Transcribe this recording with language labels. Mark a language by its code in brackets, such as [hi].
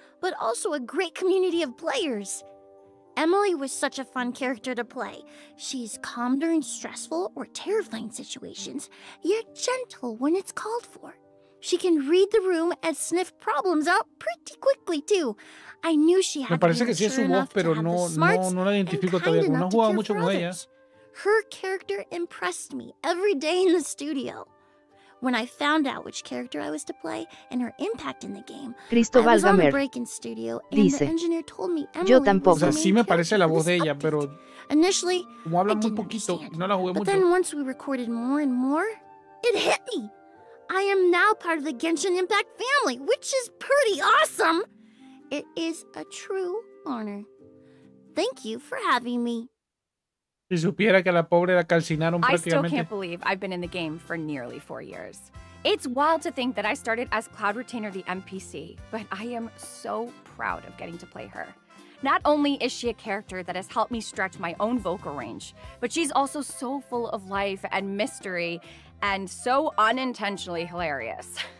[en] but also a great community of players. Emily was such a fun character to play. She's calm during stressful or terrifying situations, yet gentle when it's called for. She can read the room and sniff problems out pretty quickly, too. I knew she had [es] Me parece que sí es su voz, pero no la identifico todavía. [en] Her character impressed me every day in the studio. When I found out which character I was to play and her impact in the game, [es] Cristóbal Gamer dice, yo tampoco. O sea, sí me parece la voz de ella, pero [en] initially, [es] como habla muy poquito, no la jugué mucho. [en] Then once we recorded more and more, it hit me. I am now part of the Genshin Impact family, which is pretty awesome. It is a true honor. Thank you for having me. [es] Si supiera que la pobre la calcinaron prácticamente. [en] I still can't believe I've been in the game for nearly 4 years. It's wild to think that I started as Cloud Retainer the NPC, but I am so proud of getting to play her. Not only is she a character that has helped me stretch my own vocal range, but she's also so full of life and mystery and so unintentionally hilarious.